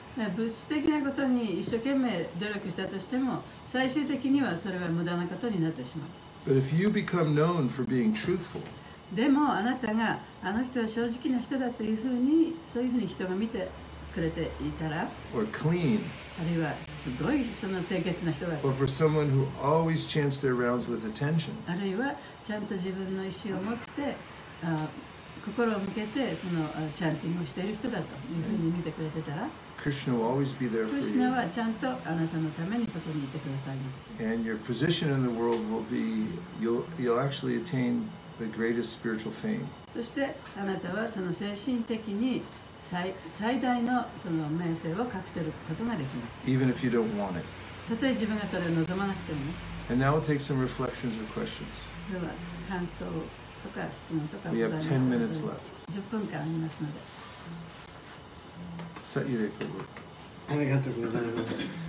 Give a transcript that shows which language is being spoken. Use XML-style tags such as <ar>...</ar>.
<ja>物質的なことに一生懸命努力したとしても、最終的にはそれは無駄なことになってしまう。</ja> <en>But if you become known for being truthful,</en> <ja>でもあなたがあの人は正直な人だというふうに、そういうふうに人が見てくれていたら、</ja> <en>or clean,</en> <ja>あるいはすごいその清潔な人だ、</ja> <en>or for someone who always chants their rounds with attention,</en> <ja>あるいはちゃんと自分の意思を持って、心を向けてそのチャンティングをしている人だというふうに見てくれてたら、</ja> <en>Krishna will always be there for you.</en> <ja>Krishna はちゃんとあなたのためにそこにいてくださいます。</ja> <en>And your position in the world will be, you'll actually attain the greatest spiritual fame.</en> <ja>そしてあなたはその精神的に最大のその名声を獲得することができます。</ja> <en>Even if you don't want it.</en> <ja>たとえ自分がそれを望まなくてもね。</ja> <en>And now we'll take some reflections or questions.</en> <ja>では感想とか質問とか。</ja> <en>We have 10 minutes left.</en> <ja>10分間ありますので。ありがとうございます。</ja>